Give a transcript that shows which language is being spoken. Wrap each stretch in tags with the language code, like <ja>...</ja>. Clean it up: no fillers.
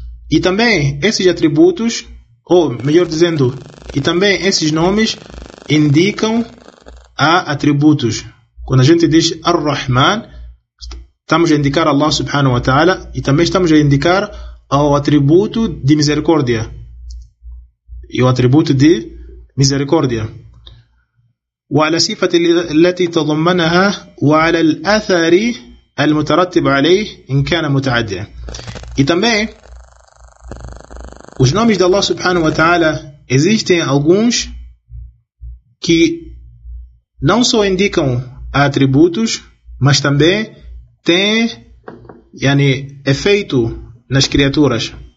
<pt>E também esses atributos, ou melhor dizendo, e também esses nomes indicam a atributos. Quando a gente diz Ar-Rahman, estamos a indicar Allah subhanahu wa ta'ala e também estamos a indicar o atributo de misericórdia. E o atributo de misericórdia.</pt> <ar>وعلى صفة التي تضمنها وعلى الأثر المترتب عليه إن كان متعديا.</ar> <pt>E também os nomes de Allah subhanahu wa ta'ala existem alguns que não só indicam atributos, mas também têm efeito nas criaturas.</pt>